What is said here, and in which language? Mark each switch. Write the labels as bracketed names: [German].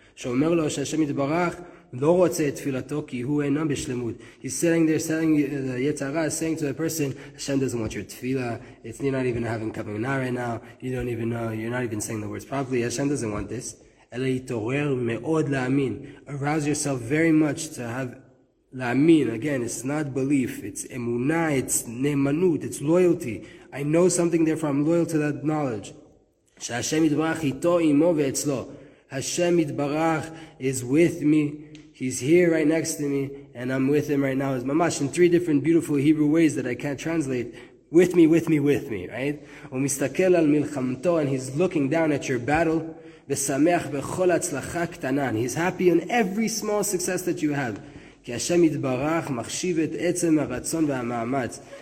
[Hebrew] שאומר לו שהשם יתברך לא רוצה את תפילתו כי הוא אינו בשלמות. [English] He's sitting there telling the Yetzara, saying to the person, Hashem doesn't want your tefillah. You're not even having kavanah right now. You don't even know. You're not even saying the words properly. Hashem doesn't want this. [Hebrew] אלא יתעורר מאוד להאמין. [English] Arouse yourself very much to have להאמין. Again, it's not belief. It's emunah. It's נאמנות. It's loyalty. I know something, therefore I'm loyal to that knowledge. [Hebrew] שהשם יתברך איתו, אימו ואצלו. [English] השם יתברך is with me. He's here right next to me, and I'm with him right now. It's mamash in three different beautiful Hebrew ways that I can't translate. With me, with me, with me, right? [Hebrew] ומסתכל על מלחמתו, [English] and he's looking down at your battle. [Hebrew] ושמח בכל הצלחה קטנה. [English] He's happy in every small success that you have. [Hebrew] כי השם יתברך מחשיב את עצם הרצון והמאמץ.